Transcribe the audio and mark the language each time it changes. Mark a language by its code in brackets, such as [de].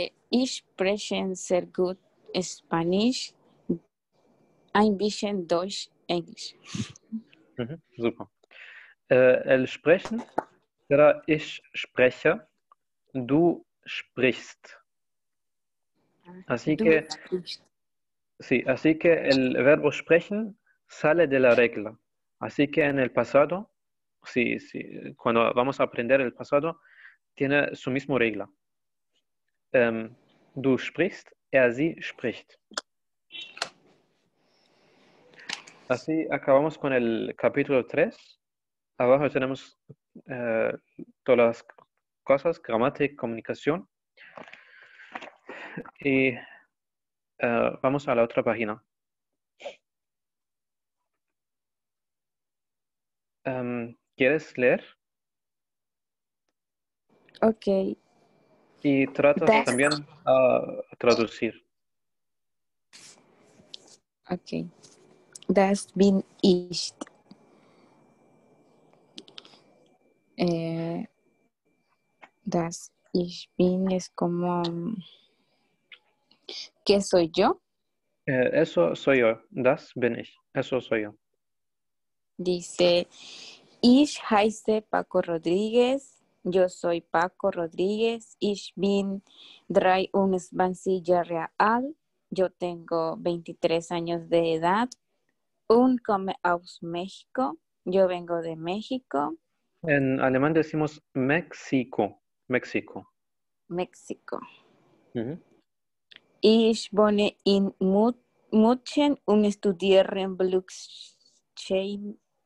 [de] Ich spreche sehr gut Spanisch, ein bisschen Deutsch, Englisch. Super. Sprechen. Ja, ich spreche, du sprichst. [es] Así [de] Du [es] que, [de] sprichst. [es] sí, así que el verbo sprechen sale de la regla. Así que en el pasado, sí, cuando vamos a aprender el pasado, tiene su misma regla. [de] Du sprichst, er sie spricht. [es] Así acabamos con el capítulo 3. Abajo tenemos todas las cosas, gramática, comunicación. Y vamos a la otra página. ¿Quieres leer? Okay. Y tratas también a traducir. [de] Okay. Das bin ich. Das ich bin [es] es como, ¿qué soy yo? Eso soy yo, [de] das bin ich, [es] eso soy yo. Dice, [de] ich heiße Paco Rodríguez. [es] Yo soy Paco Rodríguez, [de] ich bin 23 Jahre alt, [es] yo tengo 23 años de edad, [de] und komme aus México, [es] yo vengo de México. En alemán decimos México, México. México. [de] Ich wohne in München und studiere en Blockchain.